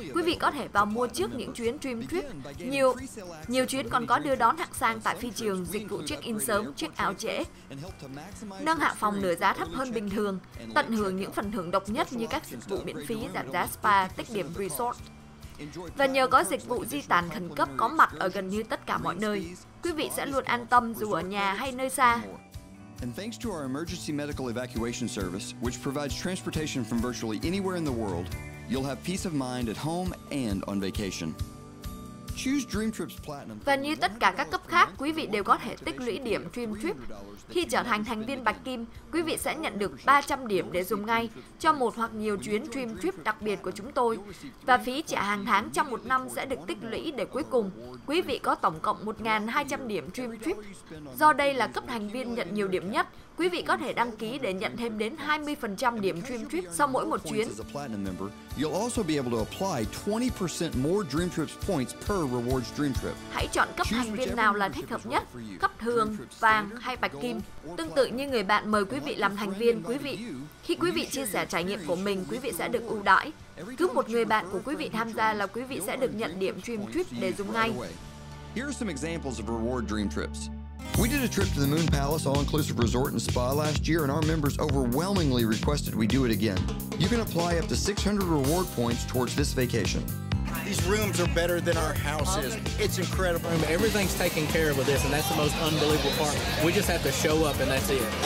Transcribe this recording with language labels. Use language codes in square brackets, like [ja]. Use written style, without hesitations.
[vi] Quý vị có thể vào mua trước những chuyến Dream Trip. Nhiều chuyến còn có đưa đón hạng sang tại phi trường, dịch vụ check-in sớm, check-out trễ, nâng hạng phòng nửa giá thấp hơn bình thường, tận hưởng những phần thưởng độc nhất như các dịch vụ miễn phí, giảm giá spa, tích điểm resort. Và nhờ có dịch vụ di tản khẩn cấp có mặt ở gần như tất cả mọi nơi, quý vị sẽ luôn an tâm dù ở nhà hay nơi xa. [en] And thanks to our emergency medical evacuation service, which provides transportation from virtually anywhere in the world, you'll have peace of mind at home and on vacation. Choose Dream Trips Platinum. [vi] Và như tất cả các cấp khác, quý vị đều có thể tích lũy điểm Dream Trip. Khi trở thành thành viên bạch kim, quý vị sẽ nhận được 300 điểm để dùng ngay cho một hoặc nhiều chuyến Dream Trip đặc biệt của chúng tôi. Và phí trả hàng tháng trong một năm sẽ được tích lũy để cuối cùng quý vị có tổng cộng 1.200 điểm Dream Trip. Do đây là cấp thành viên nhận nhiều điểm nhất, quý vị có thể đăng ký để nhận thêm đến 20% điểm Dream Trip sau mỗi một chuyến. You'll also be able to apply 20% more Dream Trips points per rewards Dream Trip. Hãy chọn cấp thành viên nào là thích hợp nhất, cấp thường, vàng hay bạch kim. Tương tự như người bạn mời quý vị làm thành viên, quý vị, khi quý vị chia sẻ trải nghiệm của mình, quý vị sẽ được ưu đãi. Cứ một người bạn của quý vị tham gia là quý vị sẽ được nhận điểm Dream Trip để dùng ngay. [en] Here are some examples of reward Dream Trips. We did a trip to the Moon Palace all-inclusive resort and spa last year, and our members overwhelmingly requested we do it again. You can apply up to 600 reward points towards this vacation. The These rooms are better than our house is. It's incredible. I mean, everything's taken care of with this, and that's the most unbelievable part. We just have to show up, and that's it.